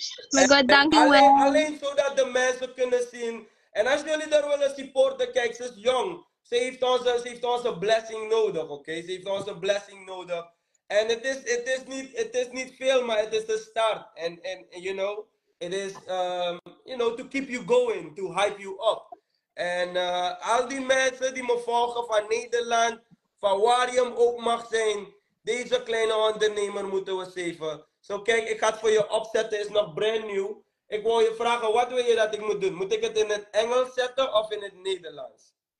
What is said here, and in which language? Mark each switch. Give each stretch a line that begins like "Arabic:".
English: My God, thank you.
Dutch: Alleen zodat de mensen kunnen zien. En als jullie daar willen supporten, kijk, ze is jong. Ze heeft onze blessing nodig, oké? Ze heeft onze blessing nodig. En het is niet veel, maar het is de start. En
English: you know, it is, you know, to keep you going, to hype you up.
Dutch: En al die mensen die me volgen van Nederland, van waar je ook mag zijn, deze kleine ondernemer moeten we zeven. Zo, kijk, ik ga het voor je opzetten, is nog brand new. Ik wil je vragen, wat wil je dat ik moet doen? Moet ik het in het Engels zetten of in het Nederlands?